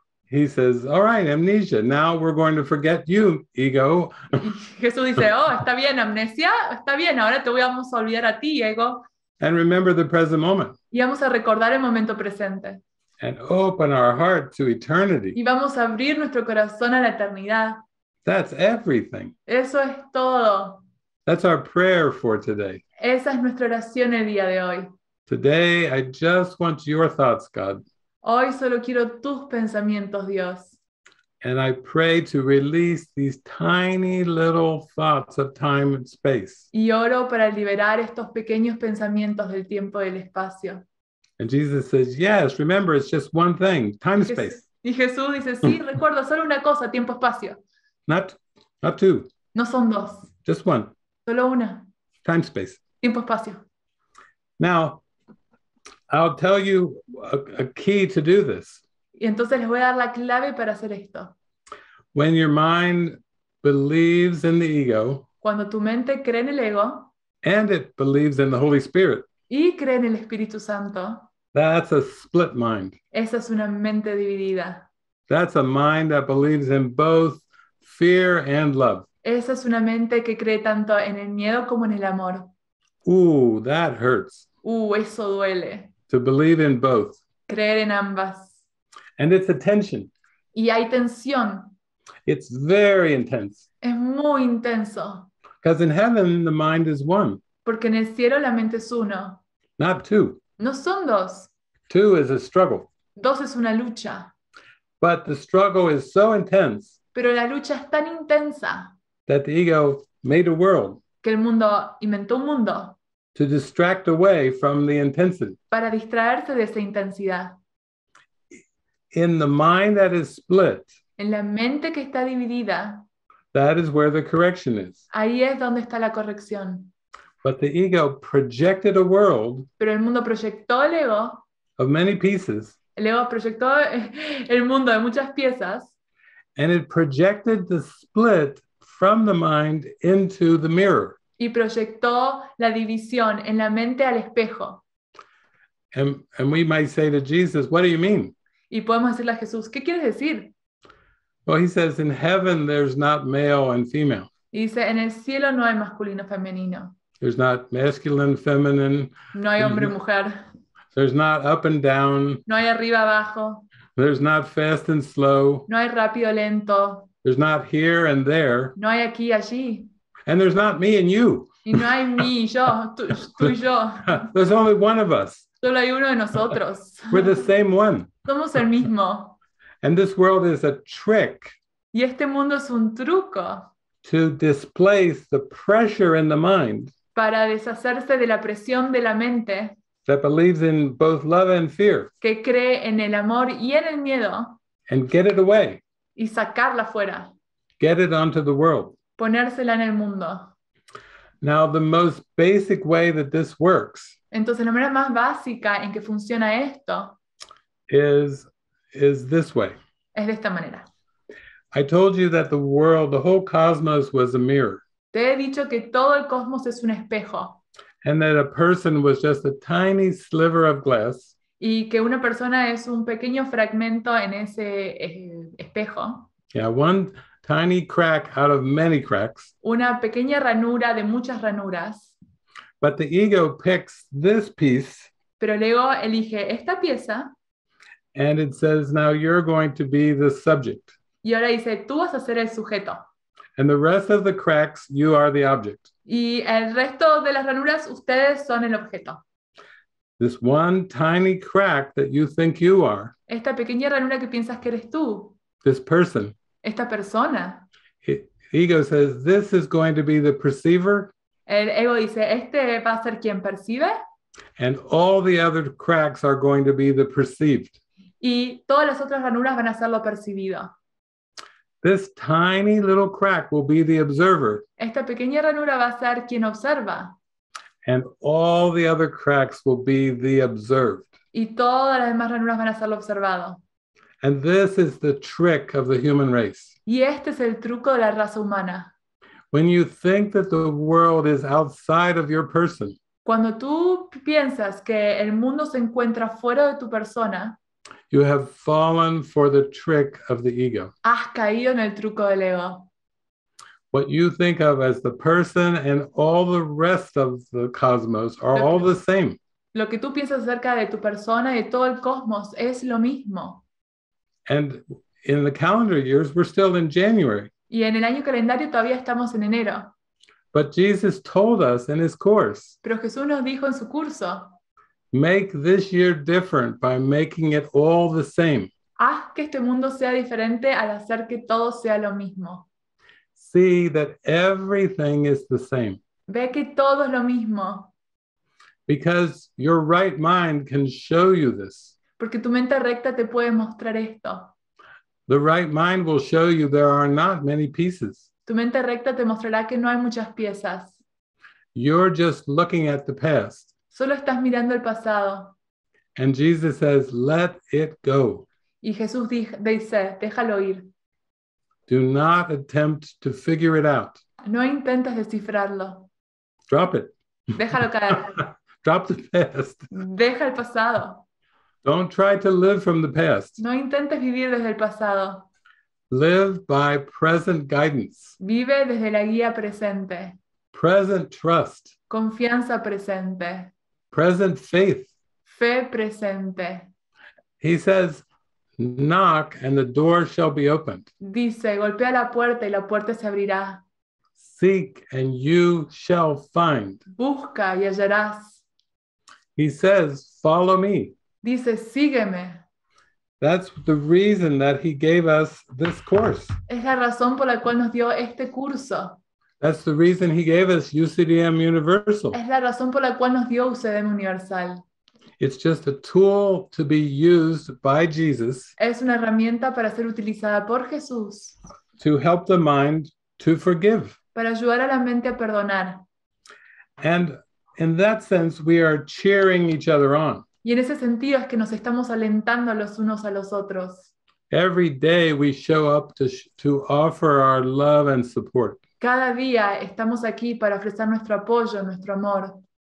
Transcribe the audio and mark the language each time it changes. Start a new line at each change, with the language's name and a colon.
English: He says, all right, amnesia, now we're going to forget you, ego.
Spanish: Jesús dice, oh, está bien, amnesia, está bien, ahora te vamos a olvidar a ti, ego.
English: And remember the present moment.
Spanish: Y vamos a recordar el momento presente.
English: And open our heart to eternity.
Spanish: Y vamos a abrir nuestro corazón a la eternidad.
English: That's everything.
Spanish: Eso es todo.
English: That's our prayer for today.
Spanish: Esa es nuestra oración el día de hoy.
English: Today, I just want your thoughts, God.
Spanish: Hoy solo quiero tus pensamientos, Dios.
English: And I pray to release these tiny little thoughts of time and space.
Spanish: Y oro para liberar estos pequeños pensamientos del tiempo y del espacio.
English: And Jesus says, yes, remember, it's just one thing, time and space.
Spanish: Y Jesús dice, sí, recuerda, solo una cosa, tiempo y espacio.
English: Not two.
Spanish: No son dos.
English: Just one.
Spanish: Solo una.
English: Time and space.
Spanish: Tiempo y espacio.
English: Now, I'll tell you a key to do this.
Spanish: Y entonces les voy a dar la clave para hacer esto.
English: When your mind believes in the ego.
Spanish: Cuando tu mente cree en el ego.
English: And it believes in the Holy Spirit.
Spanish: Y cree en el Espíritu Santo.
English: That's a split mind.
Spanish: Esa es una mente dividida.
English: That's a mind that believes in both fear and love.
Spanish: Esa es una mente que cree tanto en el miedo como en el amor.
English: Ooh, that hurts.
Spanish: Eso duele.
English: To believe in both.
Spanish: Creer en ambas.
English: And it's a tension.
Spanish: Y hay tensión.
English: It's very intense.
Spanish: Es muy intenso.
English: Because in heaven, the mind is one.
Spanish: Porque en el cielo la mente es uno.
English: Not two.
Spanish: No son dos.
English: Two is a struggle.
Spanish: Dos es una lucha.
English: But the struggle is so intense.
Spanish: Pero la lucha es tan intensa.
English: That the ego made a world.
Spanish: Que el mundo inventó un mundo.
English: To distract away from the intensity.
Spanish: Para distraerse de esa intensidad.
English: In the mind that is split.
Spanish: En la mente que está dividida.
English: That is where the correction is.
Spanish: Ahí es donde está la corrección.
English: But the ego projected a world.
Spanish: Pero el mundo proyectó el ego.
English: Of many pieces.
Spanish: El ego proyectó el mundo de muchas piezas.
English: And it projected the split from the mind into the mirror.
Spanish: Y proyectó la división en la mente al espejo.
English: And we might say to Jesus, what do you mean?
Spanish: Y podemos decirle a Jesús, ¿qué quieres decir?
English: Well, he says, in heaven there's not male and female.
Spanish: Y dice, en el cielo no hay masculino femenino.
English: There's not masculine, feminine.
Spanish: No hay hombre, mujer.
English: There's not up and down.
Spanish: No hay arriba, abajo.
English: There's not fast and slow.
Spanish: No hay rápido, lento.
English: There's not here and there.
Spanish: No hay aquí, allí.
English: And there's not me and you.
Spanish: Y no hay mí, yo, tú y yo.
English: There's only one of us.
Spanish: Solo hay uno de nosotros.
English: We're the same one.
Spanish: Somos el mismo.
English: And this world is a trick.
Spanish: Y Y este mundo es un truco.
English: To displace the pressure in the mind.
Spanish: Para deshacerse de la presión de la mente.
English: That believes in both love and fear.
Spanish: Que cree en el amor y en el miedo.
English: And get it away.
Spanish: Y sacarla fuera.
English: Get it onto the world.
Spanish: Ponérsela en el mundo.
English: Now the most basic way that this works.
Spanish: Entonces la manera más básica en que funciona esto.
English: Is this way.
Spanish: Es de esta manera.
English: I told you that the world, the whole cosmos was a mirror.
Spanish: Te he dicho que todo el cosmos es un espejo.
English: And that a person was just a tiny sliver of glass.
Spanish: Y que una persona es un pequeño fragmento en ese espejo.
English: Yeah, one tiny crack out of many cracks.
Spanish: Una pequeña ranura de muchas ranuras.
English: But the ego picks this piece.
Spanish: Pero el ego elige esta pieza.
English: And it says, now you're going to be the subject.
Spanish: Y ahora dice, tú vas a ser el sujeto.
English: And the rest of the cracks, you are the object.
Spanish: Y el resto de las ranuras, ustedes son el objeto.
English: This one tiny crack that you think you are.
Spanish: Esta pequeña ranura que piensas que eres tú.
English: This person.
Spanish: Esta persona.
English: Ego says, this is going to be the perceiver.
Spanish: El ego dice, este va a ser quien percibe.
English: And all the other cracks are going to be the perceived.
Spanish: Y todas las otras ranuras van a ser lo percibido.
English: This tiny little crack will be the observer.
Spanish: Esta pequeña ranura va a ser quien observa.
English: And all the other cracks will be the observed.
Spanish: Y todas las demás ranuras van a ser lo observado.
English: And this is the trick of the human race.
Spanish: Y este es el truco de la raza humana.
English: When you think that the world is outside of your person.
Spanish: Cuando tú piensas que el mundo se encuentra fuera de tu persona.
English: You have fallen for the trick of the ego.
Spanish: Has caído en el truco del ego.
English: What you think of as the person and all the rest of the cosmos are all the same.
Spanish: Lo que tú piensas acerca de tu persona y de todo el cosmos es lo mismo.
English: And in the calendar years, we're still in January.
Spanish: Y en el año calendario todavía estamos en enero.
English: But Jesus told us in his course.
Spanish: Pero Jesús nos dijo en su curso.
English: Make this year different by making it all the same.
Spanish: Haz que este mundo sea diferente al hacer que todo sea lo mismo.
English: See that everything is the same.
Spanish: Ve que todo es lo mismo.
English: Because your right mind can show you this.
Spanish: Porque tu mente recta te puede mostrar esto.
English: The right mind will show you there are not many pieces.
Spanish: Tu mente recta te mostrará que no hay muchas piezas.
English: You're just looking at the past.
Spanish: Solo estás mirando el pasado.
English: And Jesus says, let it go.
Spanish: Y Jesús dice, déjalo ir.
English: Do not attempt to figure it out.
Spanish: No intentes descifrarlo.
English: Drop it.
Spanish: Déjalo caer.
English: Drop the past.
Spanish: Deja el pasado.
English: Don't try to live from the past.
Spanish: No intentes vivir desde el pasado.
English: Live by present guidance.
Spanish: Vive desde la guía presente.
English: Present trust.
Spanish: Confianza presente.
English: Present faith.
Spanish: Fe presente.
English: He says, knock and the door shall be opened.
Spanish: Dice, golpea la puerta y la puerta se abrirá.
English: Seek and you shall find.
Spanish: Busca y hallarás.
English: He says, follow me.
Spanish: Dice, sígueme.
English: That's the reason that he gave us this course.
Spanish: Es la razón por la cual nos dio este curso.
English: That's the reason he gave us UCDM Universal.
Spanish: Es la razón por la cual nos dio UCDM Universal.
English: It's just a tool to be used by Jesus.
Spanish: Es una herramienta para ser utilizada por Jesús.
English: To help the mind to forgive.
Spanish: Para ayudar a la mente a perdonar.
English: And in that sense, we are cheering each other on.
Spanish: Y en ese sentido es que nos estamos alentando los unos a los otros.
English: Every day we show up to offer our love and support.
Spanish: Cada día estamos aquí para ofrecer nuestro apoyo, nuestro amor.